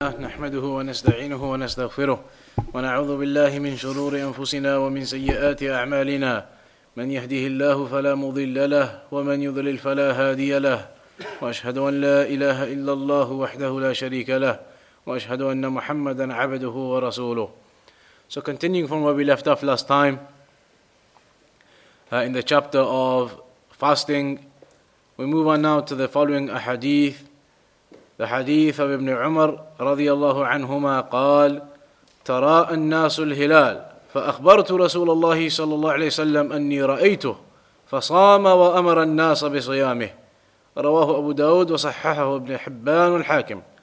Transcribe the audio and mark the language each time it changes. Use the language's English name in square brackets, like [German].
[Arabic] نحمده ونستعينه ونستغفره ونعوذ بالله من شرور أنفسنا ومن سيئات أعمالنا من يهده الله فلا مضل له ومن يضلل فلا هادي له وأشهد أن لا إله إلا الله وحده لا شريك له وأشهد أن محمدا عبده ورسوله. [English] So continuing from where we left off last time, in the chapter of fasting, we move on now to the following ahadith. The hadith of Ibn Umar [Arabic] رضي الله عنهما قال ترى الناس الهلال فأخبرت رسول الله صلى الله عليه وسلم أني رأيته فصام وأمر الناس بصيامه رواه أبو داود وصححه ابن حبان والحاكم.